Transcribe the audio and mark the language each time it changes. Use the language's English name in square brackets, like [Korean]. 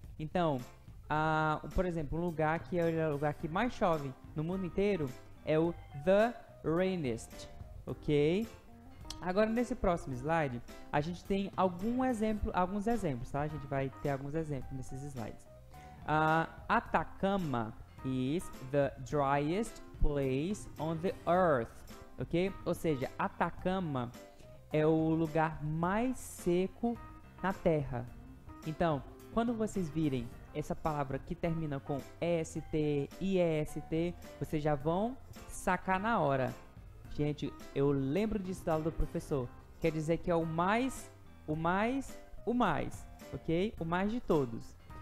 [Portuguese] Então, por exemplo, um lugar que é o lugar que mais chove no mundo inteiro é o [English] the rainest, [Portuguese] ok? Agora, nesse próximo slide, a gente tem alguns exemplos, tá? A gente vai ter alguns exemplos nesses slides. [English] Atacama is the driest place on the earth, ok? [Portuguese] Ou seja, Atacama é o lugar mais seco na Terra. Então, quando vocês virem essa palavra que termina com EST, IEST, vocês já vão sacar na hora. Gente, eu lembro disso da aula do professor. Quer dizer que é o mais, ok? O mais de todos.